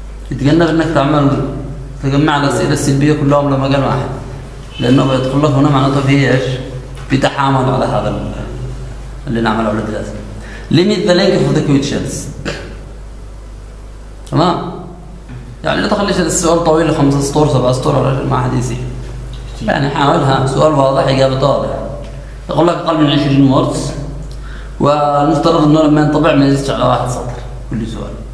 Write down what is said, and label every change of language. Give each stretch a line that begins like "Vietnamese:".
Arabic: يتجنب انك تعمل تجمع الاسئله السلبيه كلها لما قال واحد لانه بيدخل لك هنا معناته في ايش؟ في تحامل على هذا اللي نعمله على الدراسه.
English: Limit the length of the questions.
Arabic: تمام؟ يعني لا تخليش السؤال طويل لخمسه سطور سبعه سطور ما حد يزيد. يعني حاولها سؤال واضح اجابته واضحه. يقول لك اقل من 20 words ونفترض انه لما ينطبع ما يزيدش على واحد سطر كل سؤال.